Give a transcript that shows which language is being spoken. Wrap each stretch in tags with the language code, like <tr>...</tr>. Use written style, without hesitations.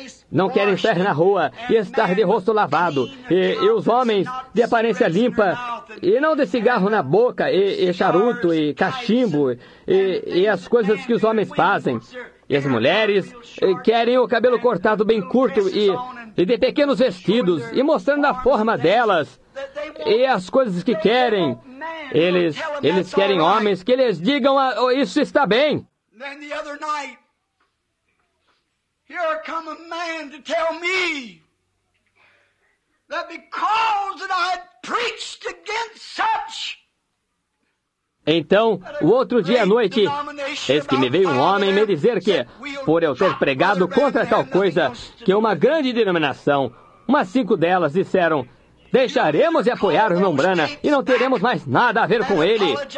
<pt>Não querem estar na rua e estar de rosto lavado. E os homens de aparência limpa e não de cigarro na boca e charuto e cachimbo e as coisas que os homens fazem. E as mulheres querem o cabelo cortado bem curto e de pequenos vestidos e mostrando a forma delas e as coisas que querem. Eles querem homens que lhes digam, isso está bem.</pt> <en>Then the other night, here come a man to tell me that because that I had preached against such.</en> <pt>Então, o outro dia à noite, eis que me veio um homem me dizer que, por eu ter pregado contra tal coisa, que uma grande denominação, umas 5 delas disseram, deixaremos de apoiar o Nombrana e não teremos mais nada a ver com ele.</pt>